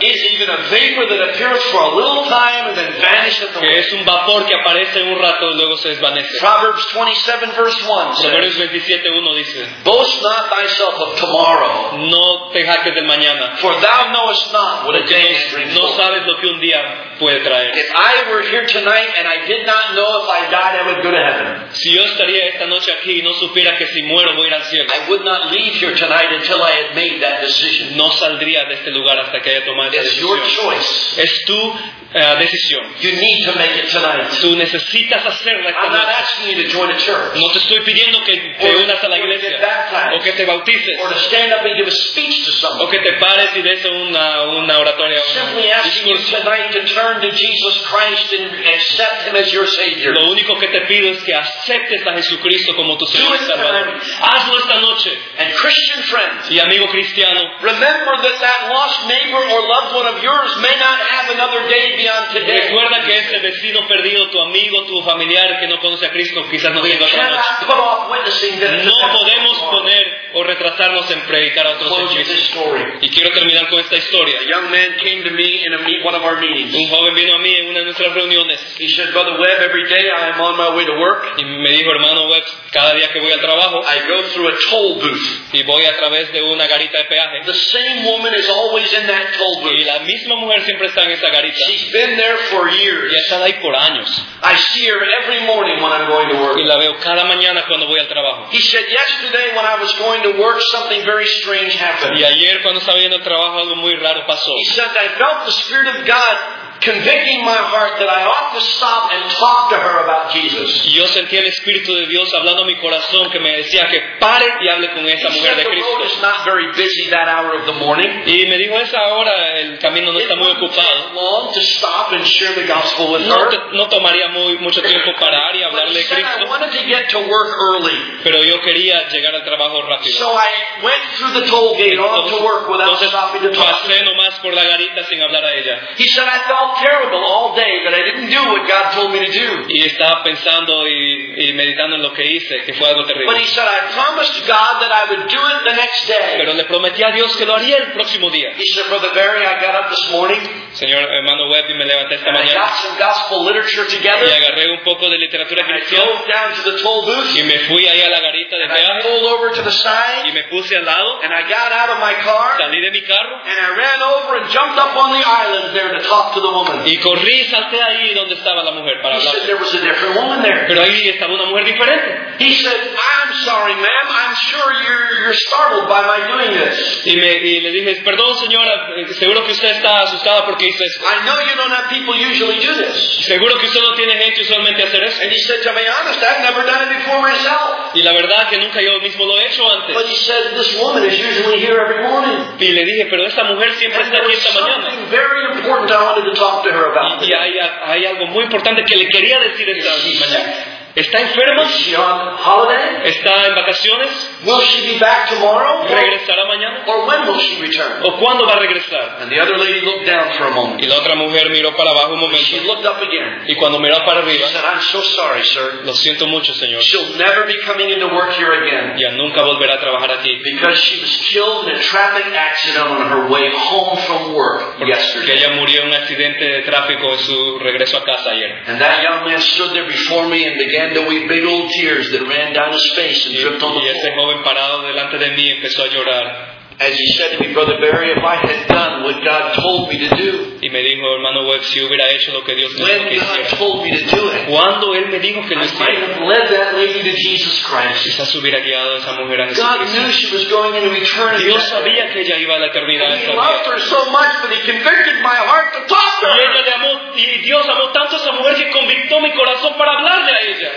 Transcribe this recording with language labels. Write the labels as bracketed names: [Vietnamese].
[English] Is it even a vapor that appears for a little time and then vanishes away? [Spanish] ¿Qué es un vapor que aparece un rato y luego se desvanece? [English] Proverbs 27 verse 1 says, [Spanish] Proverbs 27:1 dice, [English] boast not thyself of tomorrow, [Spanish] no te jactes del mañana, [English] for thou knowest not what a day brings. [Spanish] No sabes lo que un día puede traer. [English] If I were here tonight and I did not know if I died, I would go to heaven. [Spanish] Si yo estaría esta noche aquí y no supiera que si muero voy a ir al cielo, [English] I would not leave here tonight until I had made that decision. [Spanish] No saldría de este lugar hasta que haya tomado esa decisión. [English] It's your choice. [Spanish] Es tu decisión. [English] You need to make it tonight. [Spanish] Tú necesitas hacerla esta [English] noche. I'm not asking you to join a church. [Spanish] No te estoy pidiendo que te unas a la iglesia. [English] Or to get baptized. [Spanish] O que te bautices. [English] Or to stand up and give a speech to someone. [Spanish] O que te pares y des una oratoria. [English] Simply asking you tonight to turn to Jesus Christ and accept Him as your Savior. [Spanish] Lo único que te pido es que aceptes a Jesucristo como tu Señor y Salvador. Hazlo esta noche. [English] And Christian friends. [Spanish] Y amigo cristiano. [English] Remember that that lost neighbor or loved one of yours may not have another day. [Spanish] Recuerda que ese vecino perdido, tu amigo, tu familiar que no conoce a Cristo, quizás no tenga otra noche. No podemos poner o retrasarnos en predicar a otros en Cristo. Y quiero terminar con esta historia. Un joven vino a mí en una de nuestras reuniones. Y me dijo, hermano Webb, cada día que voy al trabajo, [English] I go through a toll booth. [Spanish] Y voy a través de una garita de peaje. [English] The same woman is always in that toll booth. [Spanish] Y la misma mujer siempre está en esa garita. [English] She's been there for years. [Spanish] Y ha estado ahí por años. [English] I see her every morning when I'm going to work. [Spanish] Y la veo cada mañana cuando voy al trabajo. [English] He said, yesterday when I was going to work, something very strange happened. [Spanish] Y ayer cuando estaba yendo al trabajo, algo muy raro pasó. [English] He said, I felt the Spirit of God convicting my heart that I ought to stop and talk to her about Jesus. [Spanish] Yo sentí el Espíritu de Dios hablando a mi corazón que me decía que pare y hable con esa mujer de Cristo. [English] The road is not very busy that hour of the morning. [Spanish] Y me dijo esa hora el camino no está muy ocupado. [English] Long to stop and share the gospel with her. [Spanish] No tomaría mucho tiempo parar y hablarle de Cristo. [English] I wanted to get to work early. [Spanish] Pero yo quería llegar al trabajo rápido. [English] So I went through the toll gate on to work without stopping to talk. [Spanish] Pasé nomás por la garita sin hablar a ella. [English] He said, I thought terrible all day that I didn't do what God told me to do. [Spanish] Y estaba pensando y meditando en lo que hice, que fue algo terrible. [English] But he said, I promised God that I would do it the next day. [Spanish] Pero le prometí a Dios que lo haría el próximo día. [English] He said, Brother Barry, I got up this morning. [Spanish] Señor hermano Webb, y me levanté esta mañana. [English] I got some gospel literature together. [Spanish] Y agarré un poco de literatura cristiana. [English] I drove down to the toll booth. [Spanish] Y me fui ahí a la garita de peaje. [English] And I pulled over to the side. [Spanish] Y me puse al lado. [English] And I got out of my car. [Spanish] Salí de mi carro. [English] And I ran over and jumped up on the island there to talk to the woman. [Spanish] Y corrí y salté ahí donde estaba la mujer para hablar. [English] He said, there was a different woman there. [Spanish] Pero ahí estaba una mujer diferente. [English] He said, I'm sorry, ma'am. I'm sure you're startled by my doing this. [Spanish] Y le dije, perdón, señora. Seguro que usted está asustada porque hice esto. [English] I know you don't have people usually do this. [Spanish] Seguro que usted no tiene gente usualmente hacer esto. [English] And he said, to be honest, I've never done it before myself. [Spanish] Y la verdad que nunca yo mismo lo he hecho antes. [English] But he said, this woman is usually here every morning. [Spanish] Y le dije, pero esta mujer siempre [English] and [Spanish] está aquí esta mañana. [English] And there was something very important I wanted to talk to her about. [Spanish] Y hay algo muy importante que le quería decir esta mañana. ¿Está enferma? [English] Is she on holiday? [Spanish] ¿Está en vacaciones? [English] Will she be back tomorrow? [Spanish] ¿Regresará mañana? [English] Or when will she return? [Spanish] ¿O cuándo va a regresar? [English] And the other lady looked down for a moment. [Spanish] Y la otra mujer miró para abajo un momento. [English] She looked up again. [Spanish] Y cuando miró para arriba, [English] she said, I'm so sorry, sir. [Spanish] Lo siento mucho, señor. [English] She'll never be coming into work here again. [Spanish] Ya nunca volverá a trabajar aquí. [English] Because she was killed in a traffic accident on her way home from work yesterday. [Spanish] Porque ella murió en un accidente de tráfico en su regreso a casa ayer. [English] And that young man stood there before me and began to weep big old tears that ran down his face and dripped on the floor. [Spanish] Y ese joven parado delante de mí empezó a llorar. [English] As he said to me, Brother Barry, if I had done what God told me to do, [Spanish] y me dijo, hermano Webb, si hubiera hecho lo que Dios me dijo que hiciera, [English] told me to do it, [Spanish] cuando él me dijo que lo hiciera, [English] I might have led that lady to Jesus Christ. [Spanish] Quizás hubiera guiado a esa mujer a [English] Jesucristo. God knew she was going into eternity. [Spanish] Dios sabía que ella iba a la eternidad. [English] And he loved her so much that he convicted my heart to talk to her. [Spanish] Y ella le amó, y Dios amó tanto a esa mujer que convictó mi corazón para hablarle a ella.